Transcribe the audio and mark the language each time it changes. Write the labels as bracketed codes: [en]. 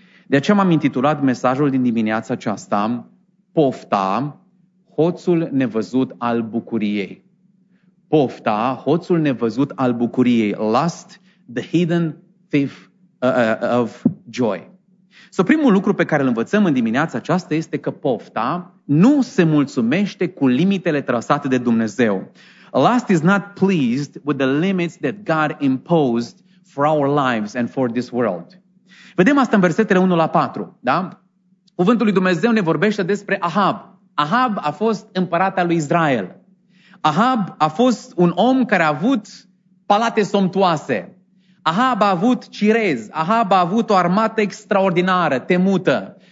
[ro] De aceea m-am intitulat mesajul din dimineața aceasta, Pofta, hoțul nevăzut al bucuriei. Pofta, hoțul nevăzut al bucuriei. [en] Lust, the hidden thief of joy. [ro] So, primul lucru pe care îl învățăm în dimineața aceasta este că pofta nu se mulțumește cu limitele trasate de Dumnezeu. [en] Lust is not pleased with the limits that God imposed for our lives and for this world. [ro] Vedem asta în versetele 1 la 4, da? Cuvântul lui Dumnezeu ne vorbește despre Ahab. Ahab a fost împărat al lui Israel. Ahab a fost un om care a avut palate somptuoase. Ahab a avut cirez. Ahab a avut o armată extraordinară, temută.